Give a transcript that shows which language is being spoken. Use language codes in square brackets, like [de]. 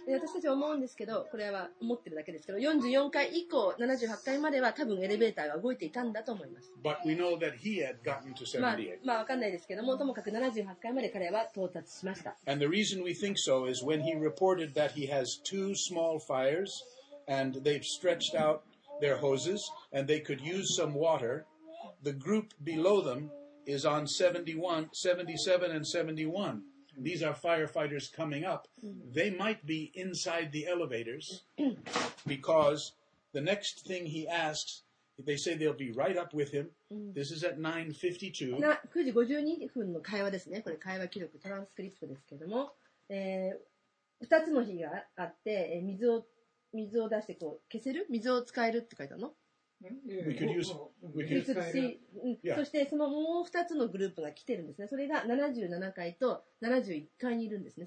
[ja] 私たちは思うんですけど、これは思ってるだけですけど、44階以降78階までは多分エレベーターが動いていたんだと思います。 [en] But we know that he had gotten to 78. [ja] まあ分かんないですけども、ともかく78階まで彼は到達しました。 [en] And the reason we think so is when he reported that he has two small fires and they've stretched out. Their hoses, and they could use some water. The group below them is on 77 and 71. These are firefighters coming up. They might be inside the elevators because the next thing he asks, they say they'll be right up with him. This is at [ja] 9:52. 9時52分の会話ですね。これ会話記録、トランスクリプトですけども、2つの日があって、水を出してこう消せる水を使えるって書いてあるの [en] We could use, we could use. Yeah. [ja] そしてそのもう2つのグループが来てるんですね。それが77階と71階にいるんですね。